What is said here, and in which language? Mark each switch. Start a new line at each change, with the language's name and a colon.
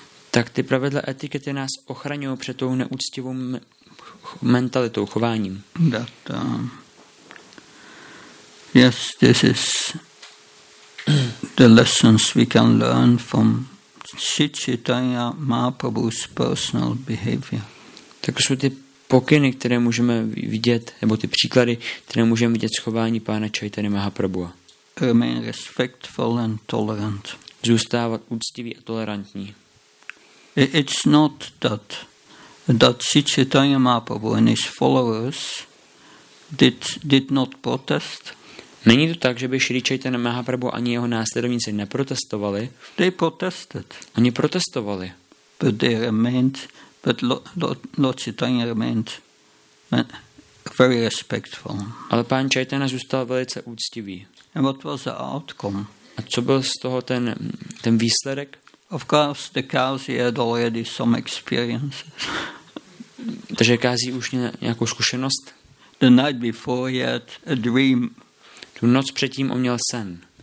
Czech: Tak ty pravidla etikety nás ochraňují před tou neúctivou mentalitou, chováním.
English: That, yes, this is the lessons we can learn from Sri Chaitanya Mahaprabhu's personal behavior.
Czech: Tak jsou ty pokyny, které můžeme vidět, nebo ty příklady, které můžeme vidět z chování pána Chaitany Mahaprabhu.
English: Remain respectful and tolerant.
Czech: Zůstávat úctivý a tolerantní.
English: It's not that Sri Chaitanya Mahaprabhu and his followers did not protest.
Czech: Není to tak, že by Sri Chaitanya Mahaprabhu ani jeho následovníci neprotestovali.
English: They protested.
Czech: Oni protestovali.
English: But they remained, but Lord Chaitanya remained very respectful.
Czech: Ale pán Chaitanya zůstal velice úctivý.
English: And what was the outcome?
Czech: A co byl z toho ten výsledek?
English: Of course, the Kazi had already some experiences.
Czech: Takže Kazi už měl nějakou zkušenost?
English: The night before he had a dream.
Czech: Tu noc předtím on měl sen.